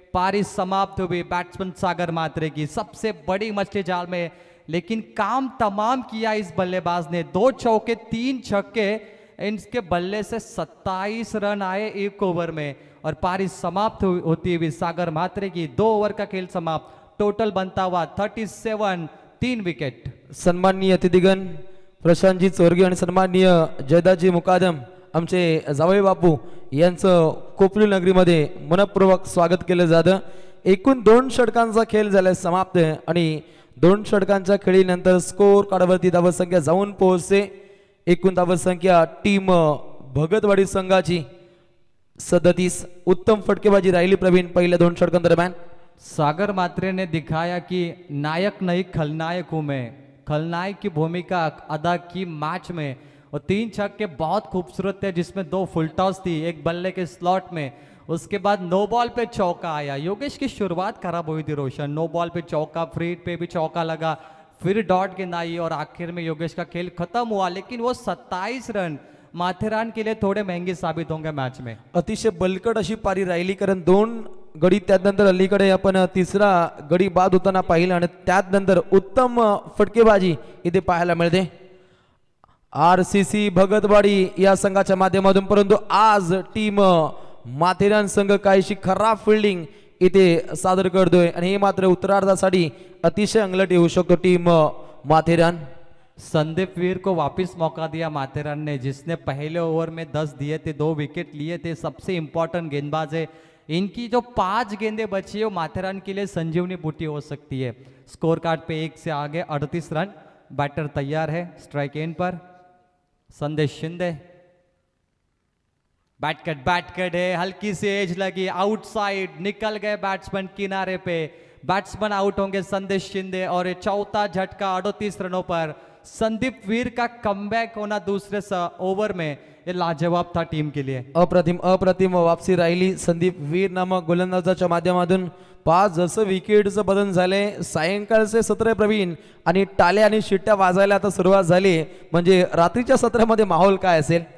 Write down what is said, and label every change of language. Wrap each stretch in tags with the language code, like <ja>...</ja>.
<hi>पारी समाप्त हुई बैट्समैन सागर मात्रे की. सबसे बड़ी मछली जाल में, लेकिन काम तमाम किया इस बल्लेबाज ने. 2 चौके 3 छक्के इनके बल्ले से 27 रन आए एक ओवर में. और पारी समाप्त होती हुई सागर मात्रे की, 2 ओवर का खेल समाप्त. टोटल बनता हुआ 37, 3 विकेट.</hi> <mr>सन्माननीय अतिथिगण प्रशांत जी चोरगे आणि सन्माननीय जयदाजी मुकादम आमचे जावई बापू यांचं कोपरी नगरीमध्ये मनपूर्वक स्वागत केलं जातं. एकूण 2 षटकांचा खेल झालाय समाप्त आणि 2 षटकांच्या खेळीनंतर स्कोअर कार्डवरती धावसंख्या जाऊन पोहोचते. एकूण धावसंख्या टीम भगतवाडी संघाची 37. उत्तम फटकेबाजी राहिली प्रवीण पहिल्या 2 षटकांदरम्यान.</mr> <hi>सागर मात्रेने दिखाया की नायक नाही खलनायक हूं मैं. खलनायक की भूमिका अदा की मैच में. और 3 छक्के बहुत खूबसूरत थे जिसमें 2 फुल टॉस थी एक बल्ले के स्लॉट में. उसके बाद 9 बॉल पे चौका आया. योगेश की शुरुआत खराब हुई थी रोशन. 9 बॉल पे चौका, फ्री पे भी चौका लगा, फिर डॉट गेंद आई और आखिर में योगेश का खेल खत्म हुआ. लेकिन वो 27 रन माथेरान के लिए थोड़े महंगे साबित होंगे मैच में.</hi> <mr>अतिशय बलकट अशी पारी राहिली, कारण 2 गडी त्यानंतर अलीकडे आपण तिसरा गडी बाद होताना पाहिलं आणि त्यानंतर उत्तम फटकेबाजी इथे पाहायला मिळते आरसीसी भगतवाडी या संघाच्या माध्यमातून. परंतु आज टीम माथेरान संघ काहीशी खराब फिल्डिंग इथे सादर करतोय आणि हे मात्र उत्तरार्धासाठी अतिशय अंगलट येऊ शकतो टीम माथेरान.</mr> <hi>संदीप वीर को वापिस मौका दिया माथेरान ने, जिसने पहले ओवर में 10 दिए थे 2 विकेट लिए थे. सबसे इंपॉर्टेंट गेंदबाज है. इनकी जो 5 गेंदे बची है वो माथेरान के लिए संजीवनी बूटी हो सकती है. स्कोर कार्ड पे 1 से आगे 38 रन. बैटर तैयार है स्ट्राइक इन पर. संदेश शिंदे, बैट कट है, हल्की सी एज लगी, आउटसाइड निकल गए बैट्समैन किनारे पे. बैट्समैन आउट होंगे संदेश शिंदे. और 4th झटका 38 रनों पर. संदीप वीर का कमबैक होना दूसरे ओवर में ये लाजवाब था टीम के लिए.</hi> <mr>अप्रतिम वापसी राहिली संदीप वीर नामक गोलंदाजाच्या माध्यमातून. 5 जसं विकेटचं बदन झाले. सायंकाळचे 17 प्रवीण आणि टाले आणि शिट्ट्या वाजायला आता सुरुवात झाली. म्हणजे रात्रीच्या 17 मध्ये माहोल काय असेल?</mr>